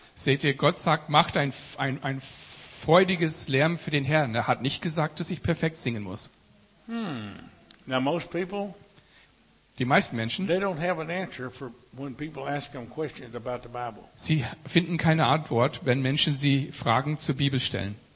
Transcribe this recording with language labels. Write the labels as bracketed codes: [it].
[de] Seht ihr, Gott sagt, macht ein freudiges Lärm für den Herrn. Er hat nicht gesagt, dass ich perfekt singen muss. [en] Now most people, [de] die meisten Menschen, [en] they don't have an answer for when people ask them questions about the Bible. [de] Sie finden keine Antwort, wenn Menschen sie Fragen zur Bibel stellen.